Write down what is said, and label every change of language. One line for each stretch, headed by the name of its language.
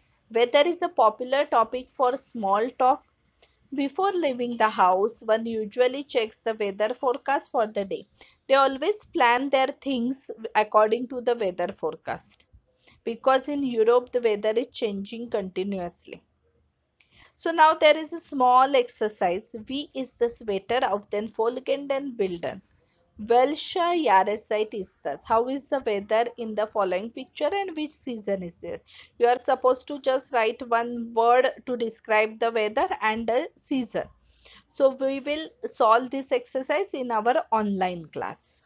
English: Weather is a popular topic for small talk. Before leaving the house, one usually checks the weather forecast for the day. They always plan their things according to the weather forecast. Because in Europe, the weather is changing continuously. So now there is a small exercise.
German: Wie ist das Wetter auf den folgenden Bildern? Welcher Jahreszeit ist das?
English: How is the weather in the following picture and which season is it? You are supposed to just write one word to describe the weather and the season. So we will solve this exercise in our online class.